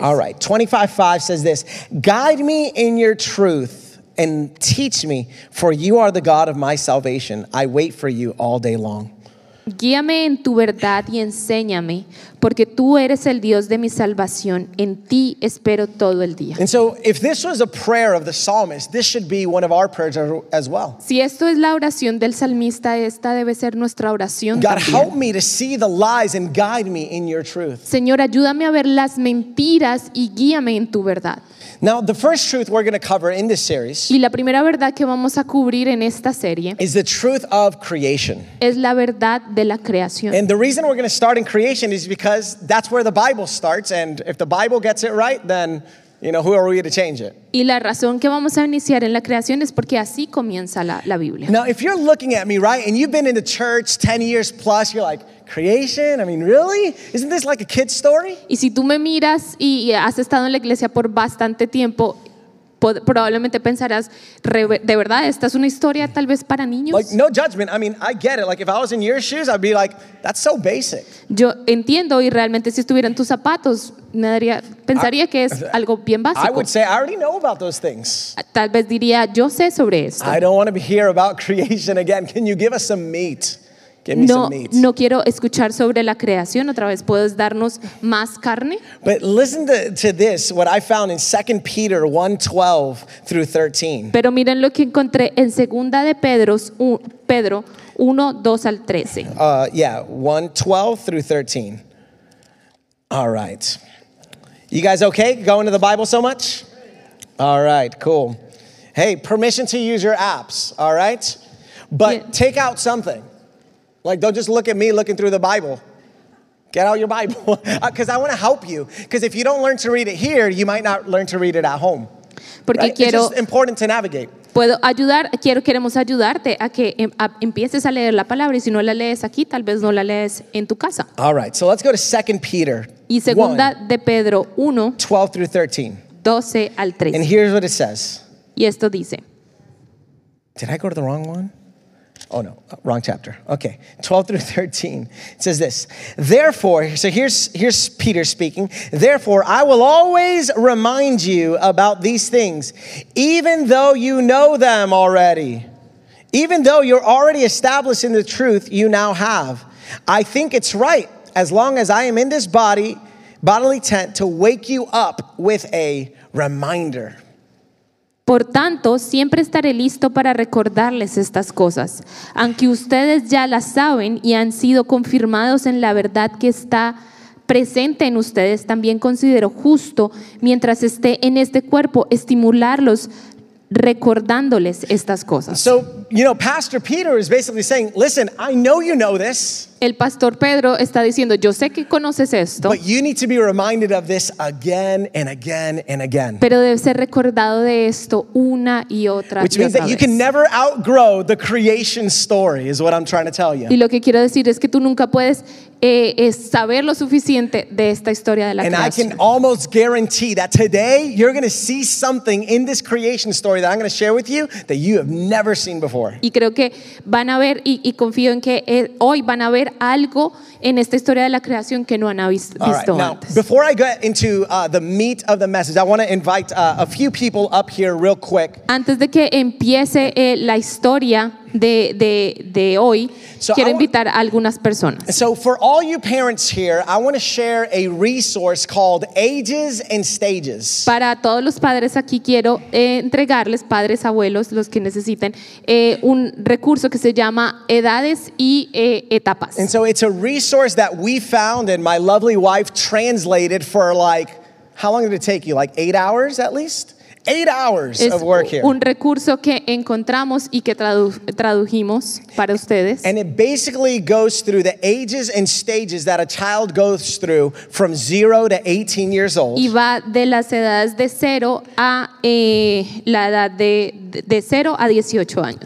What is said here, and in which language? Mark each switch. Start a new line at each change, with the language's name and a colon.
English: All right, 25.5 says this: Guide me in your truth and teach me, for you are the God of my salvation. I wait for you all day long.
Spanish: Guíame en tu verdad y enséñame, porque tú eres el Dios de mi salvación. En ti espero todo el día.
English: And so, if this was a prayer of the psalmist, this should be one of our prayers as well.
Spanish: Si esto es la oración del salmista, esta debe ser nuestra oración.
English: God, help me to see the lies and guide me in your truth.
Spanish: Señor, ayúdame a ver las mentiras y guíame en tu verdad.
English: Now, the first truth we're going to cover in this series,
Spanish: y la primera verdad que vamos a cubrir en esta serie,
English: is the truth of creation.
Spanish: Es la verdad de la creación.
English: And the reason we're going to start in creation is because that's where the Bible starts, and if the Bible gets it right, then, you know, who are we to change it?
Spanish: Y la razón que vamos a iniciar en la creación es porque así comienza la Biblia.
English: Now, if you're looking at me, right, and you've been in the church 10 years plus, you're like, creation? I mean, really? Isn't this like a kid's story?
Spanish: Y si tú me miras y has estado en la iglesia por bastante tiempo, probablemente pensarás, ¿de verdad esta es una historia tal vez para niños?
English: Like, no judgment. I mean, I get it. Like, if I was in your shoes, I'd be like, that's so basic.
Spanish: Yo entiendo, y realmente si estuviera en tus zapatos, pensaría que es algo bien básico.
English: I would say, I already know about those things.
Spanish: Tal vez diría, yo sé sobre esto.
English: I don't want to hear about creation again. Can you give us some meat? Give me no, some meat.
Spanish: No quiero escuchar sobre la creación otra vez. ¿Puedes darnos más carne?
English: But listen to this, what I found in 2 Peter 1, 12 through 13.
Spanish: Pero miren lo que encontré en 2 de Pedro 1, 2 al 13.
English: 1, 12 through 13. All right. You guys okay going to the Bible so much? All right, cool. Hey, permission to use your apps, all right? But yeah. Take out something. Like, don't just look at me looking through the Bible. Get out your Bible, because I want to help you. Because if you don't learn to read it here, you might not learn to read it at home.
Spanish: Porque
English: right?
Spanish: Quiero,
English: it's just important to navigate.
Spanish: Puedo ayudar, queremos ayudarte a que empieces a leer la palabra, y si no la lees aquí, tal vez no la lees en tu casa.
English: All right, so let's go to 2 Peter
Spanish: y segunda 1, de Pedro 1,
English: 12 through 13.
Spanish: 12 al 13.
English: And here's what it says.
Spanish: Y esto dice.
English: Did I go to the wrong one? Oh no, wrong chapter. Okay, 12 through 13. It says this. Therefore, so here's Peter speaking. Therefore, I will always remind you about these things, even though you know them already. Even though you're already established in the truth you now have. I think it's right, as long as I am in this bodily tent, to wake you up with a reminder.
Spanish: Por tanto, siempre estaré listo para recordarles estas cosas, aunque ustedes ya las saben y han sido confirmados en la verdad que está presente en ustedes. También considero justo, mientras esté en este cuerpo, estimularlos recordándoles estas cosas.
English: So, you know, Pastor Peter is basically saying, listen, I know you know this.
Spanish: El pastor Pedro está diciendo, yo sé que conoces esto.
English: But you need to be reminded of this again and again and again.
Spanish: Pero debes ser recordado de esto una y otra vez.
English: Which means that you can never outgrow the creation story, is what I'm trying to tell you.
Spanish: Y lo que quiero decir es que tú nunca puedes saber lo suficiente de esta historia de la
English: and
Spanish: creación.
English: And I can almost guarantee that today you're going to see something in this creation story that I'm going to share with you that you have never seen before.
Spanish: Y creo que van a ver y confío en que hoy van a ver algo en esta historia de la creación que no han visto antes.
English: All right. Now, before I get into the meat of the message, I want to invite a few people up here real quick.
Spanish: Antes de que empiece la historia de hoy, so quiero invitar a algunas personas.
English: So for all you parents here, I want to share a resource called Ages and Stages.
Spanish: Para todos los padres aquí quiero entregarles, padres, abuelos, los que necesiten, un recurso que se llama Edades y Etapas.
English: And so it's a resource that we found and my lovely wife translated for like, how long did it take you? Like 8 hours at least? 8 hours
Spanish: es
English: of work here.
Spanish: Un recurso que encontramos y que tradujimos para ustedes.
English: And it basically goes through the ages and stages that a child goes through from 0 to 18 years old.
Spanish: Y va de las edades de 0 a la edad de 0 a 18 años.